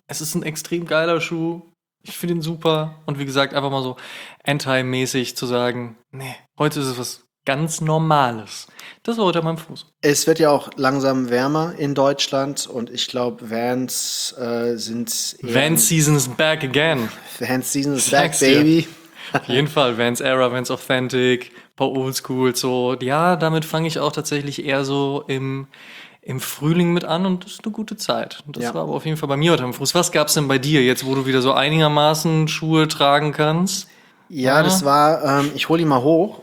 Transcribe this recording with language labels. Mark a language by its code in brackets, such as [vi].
[de] Es ist ein extrem geiler Schuh. Ich finde ihn super. Und wie gesagt, einfach mal so anti-mäßig zu sagen, nee, heute ist es was ganz Normales. Das war heute mein Fuß. Es wird ja auch langsam wärmer in Deutschland und ich glaube, Vans sind. [en] Vans Season is back again. Vans Season is back, baby. [de] Ja. Auf jeden Fall, Vans Era, Vans Authentic, ein paar Oldschool, so. Ja, damit fange ich auch tatsächlich eher so im Frühling mit an und das ist eine gute Zeit. Das ja. war aber auf jeden Fall bei mir heute am Fuß. Was gab's denn bei dir jetzt, wo du wieder so einigermaßen Schuhe tragen kannst? Ja, ja. Das war, ich hole ihn mal hoch.